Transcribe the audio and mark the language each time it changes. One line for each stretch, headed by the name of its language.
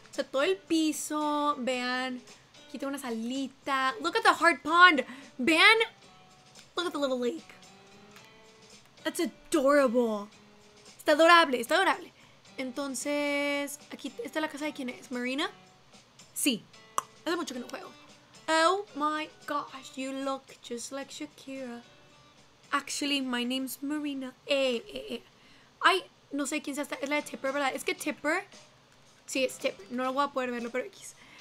Spanish: O sea, todo el piso, vean... Aquí tengo una salita.
English: Look at the heart pond.
Spanish: Vean.
English: Look at the little lake. That's adorable.
Spanish: Está adorable, está adorable. Entonces, aquí está la casa de quién es. ¿Marina? Sí. Hace mucho que no juego.
English: Oh my gosh, you look just like Shakira. Actually, my name's Marina.
Spanish: Ay, no sé quién sea esta. Es la de Tipper, ¿verdad? Es que Tipper. Sí, es Tipper. No lo voy a poder verlo, pero X.